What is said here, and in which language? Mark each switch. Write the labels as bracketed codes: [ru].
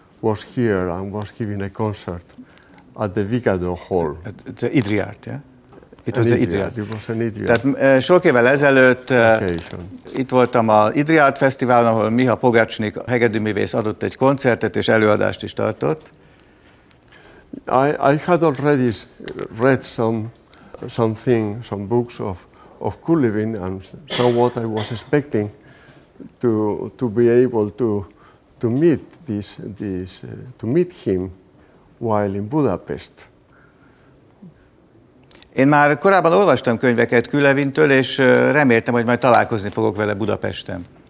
[en] was here and was giving a concert at the Vigado Hall. At the Idriart, yeah? It was Idriart. [hu] Tehát sok évvel ezelőtt itt voltam a Idriart Fesztiválon, ahol Miha Pogacsnik, a hegedűművész adott egy koncertet és előadást is tartott. [en] I had already read some books of Kulevin and saw what I was expecting to be able to meet this to meet him while in Budapest. [hu] Én már korábban olvastam könyveket Kulevintől, és reméltem, hogy majd találkozni fogok vele Budapesten.